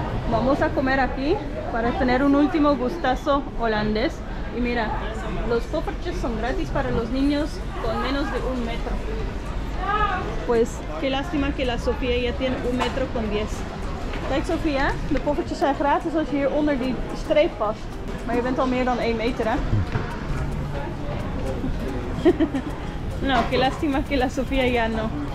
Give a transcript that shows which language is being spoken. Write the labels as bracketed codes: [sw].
[es] Vamos a comer aquí para tener un último gustazo holandés. Y mira, los poffertjes son gratis para los niños con menos de un metro. Pues qué lástima que la Sofía ya tiene 1.10 meters. [nl] Kijk Sofía, de poffertjes zijn gratis als je hier onder die streep past. Maar je bent al meer dan 1 meter, hè? [es] No, qué lástima que la Sofía ya no.